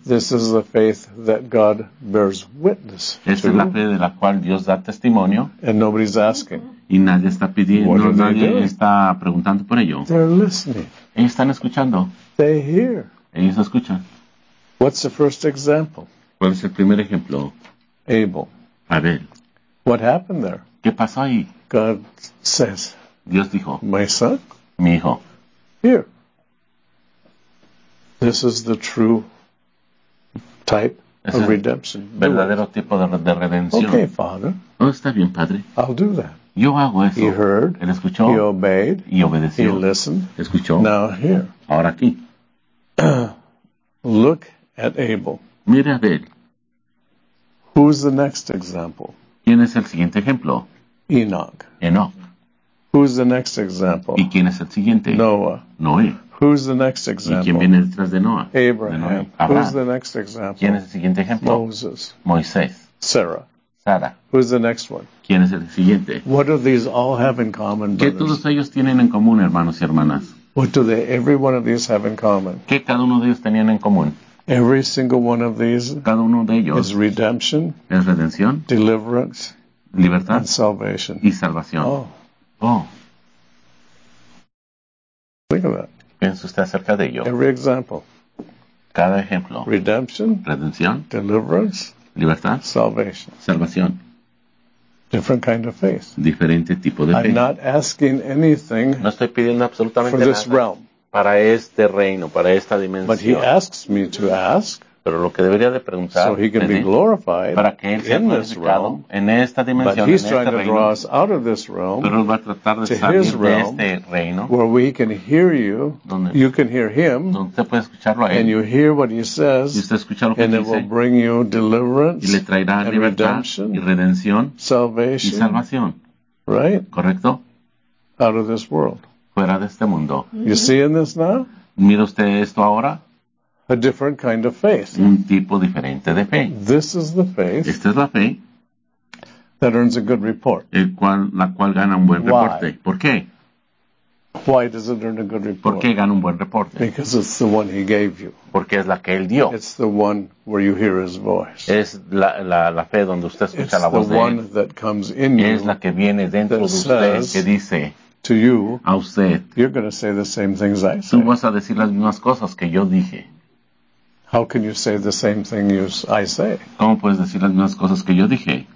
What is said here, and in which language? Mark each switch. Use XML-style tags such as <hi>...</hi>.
<en>This is the faith that God bears witness to.</en> <es>Esta es la fe de la cual Dios da testimonio.</es> <en>And nobody's asking.</en> <es>Y nadie está pidiendo, nadie está preguntando por ello.</es> <en>They're listening.</en> <es>Ellos están escuchando.</es> <en>They hear.</en> <es>Ellos escuchan.</es> <en>What's the first example?</en> <es>¿Cuál es el primer ejemplo?</es> <en>Abel.</en> <es>Abel.</es> <en>What happened there?</en> <es>¿Qué pasó ahí?</es> <en>God says.</en> <es>Dios dijo.</es> <en>My son.</en> <es>Mi hijo.</es> <en>Here. This is the true type of redemption.</en> <es>Verdadero tipo de redención.</es> <en>Okay, Father.</en> <es>Oh, está bien, Padre.</es> <en>I'll do that.</en> <es>Yo hago eso.</es> <en>He heard.</en> <es>Él escuchó.</es> <en>He obeyed.</en> <es>Y obedeció.</es> <en>He listened.</en> <es>Escuchó.</es> <en>Now here.</en> <es>Ahora aquí.</es> <en>Look at Abel.</en> <es>Mira a Abel.</es> <en>Who's the next example?</en> <es>¿Quién es el siguiente ejemplo?</es> <en>Enoch.</en> <es>Enoch.</es> <en>Who's the next example?</en> <es>¿Y quién es el siguiente?</es> <en>Noah.</en> <es>Noé.</es> <en>Who's the next example?</en> <es>¿Y quién viene detrás de Noah?</es> <en>Abraham.</en> <es>De</es> <en>Noah. Who's the next example?</en> <es>¿Quién es el siguiente ejemplo?</es> <en>Moses.</en> <es>Moisés.</es> <en>Sarah.</en> <es>Sara.</es> <en>Who's the next one?</en> <es>¿Quién es el siguiente?</es> <en>What do these all have in common,</en> <es>¿qué</es> <en>brothers?</en> <es>Todos ellos tienen en común, hermanos y hermanas?</es> <en>What do they, every one of these have in common?</en> <es>¿Qué cada uno de ellos tenían en común?</es> <en>Every single one of these,</en> <es>cada uno de ellos,</es> <en>is redemption,</en> <es>es redención,</es> <en>deliverance,</en> <es>libertad,</es> <en>and salvation.</en> <es>Y salvación.</es> <en>Oh.</en> <es>Oh.</es> <en>Think of that.</en> <es>Piense usted acerca de ello.</es> <en>Every example.</en> <es>Cada ejemplo.</es> <en>Redemption.</en> <es>Redención.</es> <en>Deliverance.</en> <es>Libertad.</es> <en>Salvation.</en> <es>Salvación.</es> <en>Different kind of faith.</en> <es>Diferente tipo de fe.</es> <en>I'm not asking anything.</en> <es>No estoy pidiendo absolutamente</es> <en>for this</en> <es>nada</es> <en>realm.</en> <es>Para este reino, para esta dimensión.</es> <en>But he asks me to ask.</en> <es>Pero lo que debería de preguntar,</es> <en>so he can be glorified</en> <es>para que él sea glorificado en esta dimensión, en este reino.</es> <en>Draw us out of this realm,</en> <es>pero él va a tratar de salir de este reino,</es> <en>where we can hear you,</en> <es>donde</es> <en>you can hear him,</en> <es>donde usted puede escucharlo a él,</es> <en>and you hear what he says,</en> <es>y usted escucha lo que</es> <en>and</en> <es>dice,</es> <en>it will bring you deliverance,</en> <es>y le traerá</es> <en>and</en> <es>libertad</es> <en>redemption,</en> <es>y redención,</es> <en>salvation,</en> <es>y salvación.</es> <en>Right?</en> <es>¿Correcto?</es> <en>Out of this world.</en> <es>Fuera de este mundo.</es> <en>You seeing this now?</en> <es>¿Mira usted esto ahora?</es> <en>A different kind of faith.</en> <es>Un tipo diferente de fe.</es> <en>This is the faith.</en> <es>Esta es la fe.</es> <en>That earns a good report.</en> <es>La cual gana un buen reporte. ¿Por qué?</es> <en>Why does it earn a good report?</en> <es>¿Por qué gana un buen reporte?</es> <en>Because it's the one he gave you.</en> <es>Porque es la que él dio.</es> <en>It's the one where you hear his voice.</en> <es>Es la fe donde usted escucha</es> <en>it's</en> <es>la voz</es> <en>the</en> <es>de</es> <en>one</en> <es>él.</es> <en>That comes in you.</en> <es>Es la que viene dentro de usted, que dice</es> <en>to you,</en> <es>a usted.</es> <en>You're going to say the same things I said.</en> <es>Tú vas a decir las mismas cosas que yo dije.</es> <en>How can you say the same thing I say?</en> <es>¿Cómo puedes decir las mismas cosas que yo dije?</es>